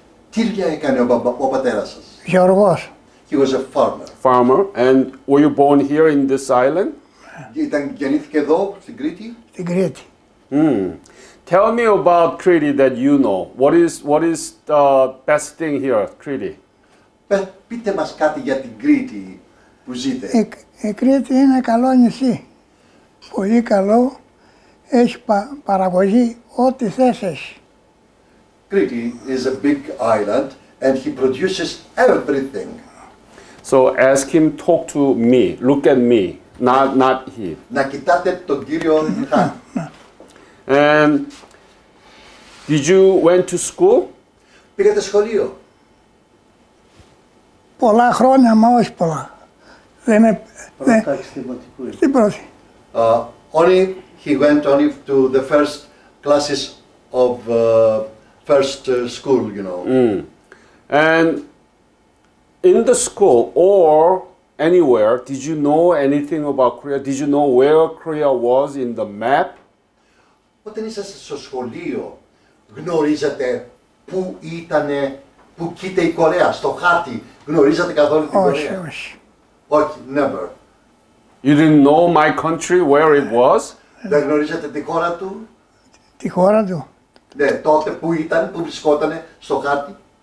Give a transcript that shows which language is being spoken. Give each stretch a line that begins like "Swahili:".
Greek: Τι δουλειά έκανε ο πατέρας σας. Γεωργός.
English: He was a farmer. Farmer, and were you born here in this island?
Greek: Ήταν γεννήθηκε εδώ, στην Κρήτη. Στην Κρήτη.
English: Tell me about Crete that you know. What is the best thing here, Crete?
Greek: Πείτε μας κάτι για την Κρήτη που ζείτε. Η Κρήτη είναι καλό νησί. Πολύ καλό. Έχει παραγωγή ό,τι θες έχει.
English: Crete is a big island and he produces everything. So ask him, talk to me, look at me, not him.
Greek: Να κοιτάτε τον κύριο Χα.
English: And did you went to school?
Greek: Πήγατε σχολείο. Πολλά χρόνια, μα όχι πολλά. Δεν είναι... Πρώτα εξτιμωτικού. Την πρώτη.
English: Only he went only to the first classes of first school, you know. And in the school or anywhere, did you know anything about Korea? Did you know where Korea was in the map?
Greek: Όταν είσαστε στο σχολείο, γνωρίζατε πού ήταν, πού κοίταγε η Κορέα, στο χάρτη, γνωρίζατε καθόλου την Κορέα. Όχι,
English: never. You didn't know my country, where it was?
Greek: Δεν γνωρίζατε τη χώρα του. Τη χώρα του. Ναι, τότε πού ήταν, πού βρισκότανε, στο χάρτη.